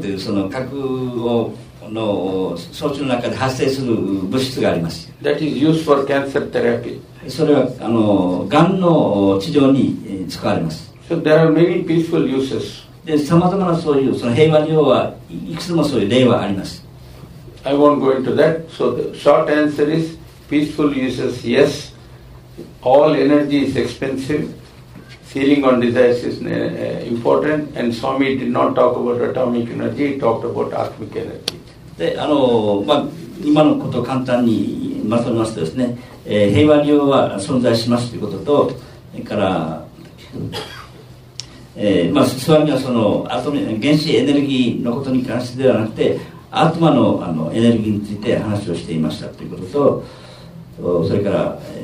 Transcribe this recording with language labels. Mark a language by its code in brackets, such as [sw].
[ja] というその核をの装置の中で発生する物質があります。 [en] That is used for cancer therapy. [ja] それはあのがんの治療に使われます。 [en] So there are many peaceful uses. [ja] で、さまざまなそういうその平和利用はいくつもそういう例はあります。 [en] I won't go into that. So the short answer is peaceful uses, yes. All energy is expensive. Feeling on desires is important. And Swami did not talk about atomic energy. He talked about atomic energy. [ja] で、あの、まあ、今のことを簡単にまとめますとですね、平和利用は存在しますということと、それから、まあ、スワミはそのアトミ原子エネルギーのことに関してではなくて、アトマの、あのエネルギーについて話をしていましたということと、それから、